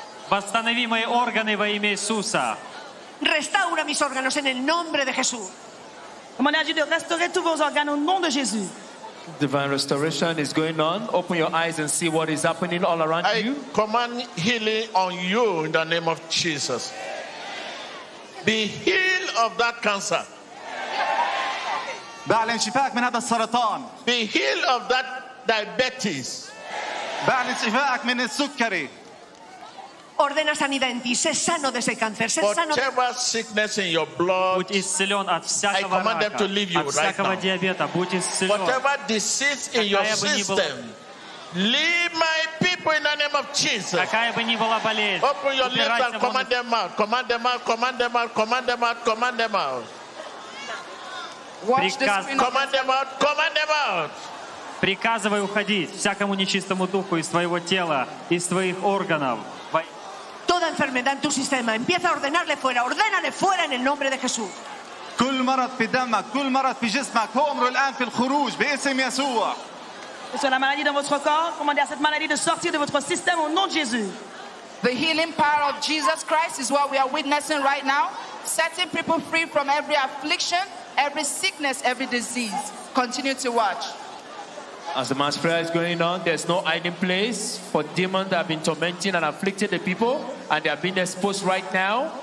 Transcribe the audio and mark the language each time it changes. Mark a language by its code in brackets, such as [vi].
[ru] Восстанови мои органы во имя Иисуса. [es] Restaura mis órganos en el nombre de Jesús. [fr] Comme on a dit de restaurer tous vos organes au nom de Jésus. [en] Divine restoration is going on. Open your eyes and see what is happening all around I you. I command healing on you in the name of Jesus. Be healed of that cancer. [ar] بعلن شفاءك من هذا السرطان. [en] Be healed of that diabetes. [ar] بعلن شفاءك من السكري. [es] Ordena sanidad en ti. Sé sano de ese cáncer. Sé sano. [en] Whatever sickness in your blood, [ru] будь исцелен от всякого рака. [en] I command them to leave you right now. [ru] От всякого диабета, будь исцелен. [en] Whatever disease in your system, leave my people in the name of Jesus. [ru] Какая бы ни была болезнь, [en] open your lips and command them out. Command them out. Command them out. Command them out. Command them out. Command them out. Command them out. [ru] Приказывай уходить всякому нечистому духу из твоего тела, из твоих органов. [es] Toda enfermedad en tu sistema, empieza a ordenarle fuera. Ordénale fuera en el nombre de Jesús. [ar] كل مرض في دمك, كل مرض في جسمك, أمره الآن في الخروج باسم يسوع. [fr] Es la maladie dans votre corps. Commandez à cette maladie de sortir de votre système au nom de Jésus. [en] The healing power of Jesus Christ is what we are witnessing right now, setting people free from every affliction, every sickness, every disease. Continue to watch. As the mass prayer is going on, there's no hiding place for demons that have been tormenting and afflicting the people, and they are being exposed right now.